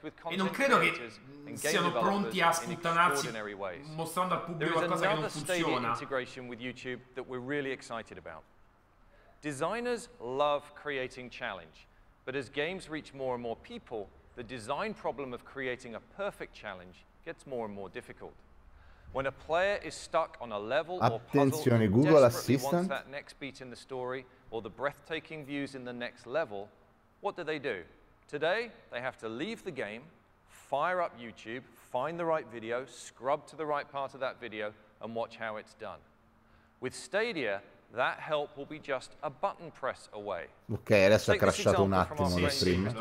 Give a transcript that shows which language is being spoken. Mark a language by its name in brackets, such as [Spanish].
[Italian] E non credo che siano pronti a sputtanarsi mostrando al pubblico qualcosa che non funziona. [English] Integration with YouTube that we're really excited about. Designers love creating challenge, but as games reach more and more people, the design problem of creating a perfect challenge gets more and more difficult. When a player is stuck on a level or puzzle, Google desperately Assistant wants that next beat in the story or the breathtaking views in the next level, what do? Today, they have to leave the game, fire up YouTube, find the right video, scrub to the right part of that video, and watch how it's done. With Stadia, that help will be just a button press away. [Italian] Ok, adesso ha crashato un attimo lo stream.